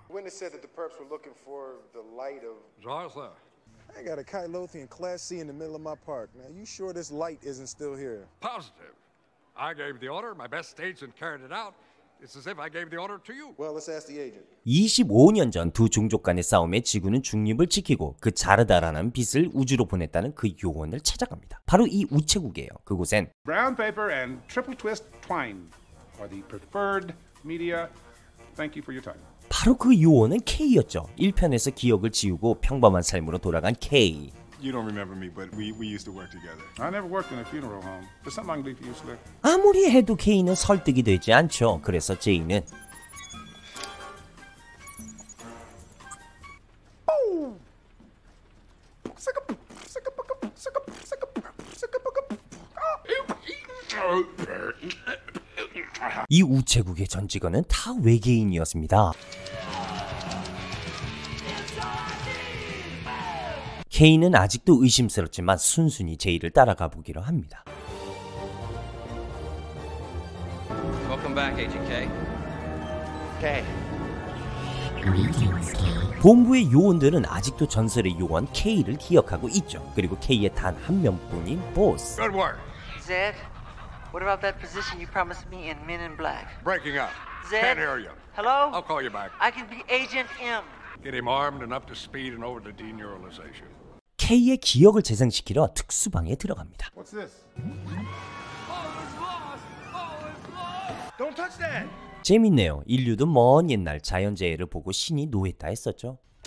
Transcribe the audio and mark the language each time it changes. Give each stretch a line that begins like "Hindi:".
English: When they said that the perps were looking for the light of... Zaza. I got a Kylothian Class C in the middle of my park. Now, you sure this light isn't still here? Positive. I gave the order, my best agent carried it out. It's as if I gave the order to you. Well, let's ask the agent.
Korean: 25년 전 두 종족 간의 싸움에 지구는 중립을 지키고 그 자르다라는 빛을 우주로 보냈다는 그 요원을 찾아갑니다. 바로 이 우체국이에요. 그곳엔
English: Brown paper and triple twist twine are the preferred media. Thank you for your time.
Korean: 바로 그 요원은 K였죠. 1편에서 기억을 지우고 평범한 삶으로 돌아간 K.
English: You don't remember me, but we used to work together. I never worked in a funeral home. There's something I can do for you, Slick.
Korean: 아무리 해도 K는 설득이 되지 않죠. 그래서 J는 이 우체국의 전 직원은 다 외계인이었습니다. K는 아직도 의심스럽지만 순순히 J를 따라가 보기로 합니다.
English: Welcome back, Agent K. K.
Korean: 본부의 요원들은 아직도 전설의 요원 K를 기억하고 있죠. 그리고 K의 단 한 명뿐인 보스.
English: Good work. Zed, what about that position you promised me in Men in Black? Breaking up. Zed? Can't hear you. Hello? I'll call you back. I can be Agent M. Get him armed and up to speed and over to deneuralization.
Korean: K의 기억을 재생시키러 특수방에 들어갑니다.
English: What's this? All is lost. All is lost. Don't touch that.
Korean: 재밌네요. 인류도 먼 옛날 자연재해를 보고 신이 노했다 했었죠.